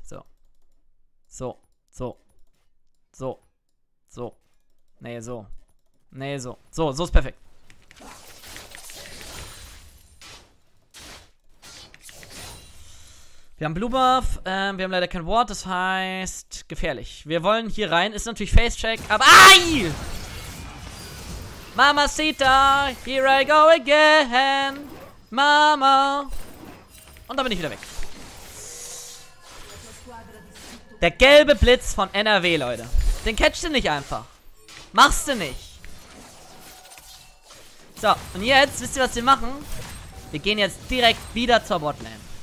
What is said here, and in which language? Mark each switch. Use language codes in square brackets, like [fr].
[de] So. So. So. So. So. Nee, so. Nee, so. So, so ist perfekt. Wir haben Blue Buff, wir haben leider kein Ward, das heißt gefährlich. Wir wollen hier rein, ist natürlich Face-Check, aber... Ai! [en] Mamacita, here I go again. Mama. [de] Und da bin ich wieder weg. Der gelbe Blitz von NRW, Leute. Den catchst du nicht einfach. Machst du nicht. So, und jetzt, wisst ihr, was wir machen? Wir gehen jetzt direkt wieder zur Botlane.